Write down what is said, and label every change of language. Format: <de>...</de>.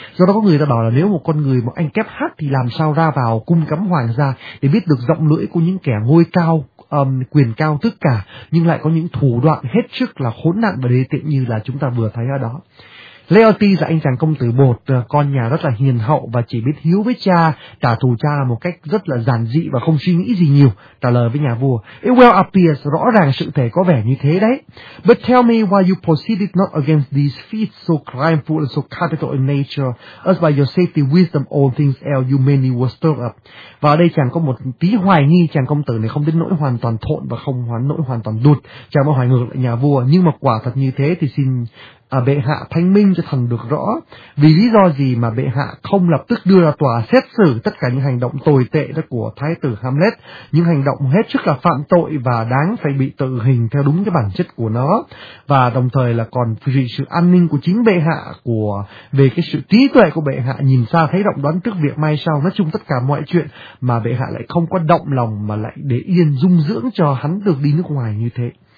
<vi>Do đó có người ta bảo là nếu một con người mà anh kép hát thì làm sao ra vào cung cấm hoàng gia để biết được giọng lưỡi của những kẻ ngôi cao, quyền cao tất cả, nhưng lại có những thủ đoạn hết sức là khốn nạn và đê tiện như là chúng ta vừa thấy ở đó. Laertes là anh chàng công tử bột, con nhà rất là hiền hậu và chỉ biết hiếu với cha, trả thù cha một cách rất là giản dị và không suy nghĩ gì nhiều, trả lời với nhà vua.</vi> <en>It well appears,</en> <vi>rõ ràng sự thể có vẻ như thế đấy.</vi> <en>But tell me why you proceeded not against these feats so crimeful and so capital in nature, as by your safety, wisdom, all things else you mainly were stirred up.</en> <vi>Và ở đây chàng có một tí hoài nghi, chàng công tử này không đến nỗi hoàn toàn thộn và không hoàn nỗi hoàn toàn đụt. Chàng mới hỏi ngược lại nhà vua, nhưng mà quả thật như thế thì xin à, bệ hạ thanh minh cho thần được rõ vì lý do gì mà bệ hạ không lập tức đưa ra tòa xét xử tất cả những hành động tồi tệ đó của thái tử Hamlet, những hành động hết sức là phạm tội và đáng phải bị tử hình theo đúng cái bản chất của nó, và đồng thời là còn vì sự an ninh của chính bệ hạ, của về cái sự trí tuệ của bệ hạ nhìn xa thấy rộng, đoán trước việc mai sau, nói chung tất cả mọi chuyện mà bệ hạ lại không có động lòng mà lại để yên dung dưỡng cho hắn được đi nước ngoài như thế.</vi>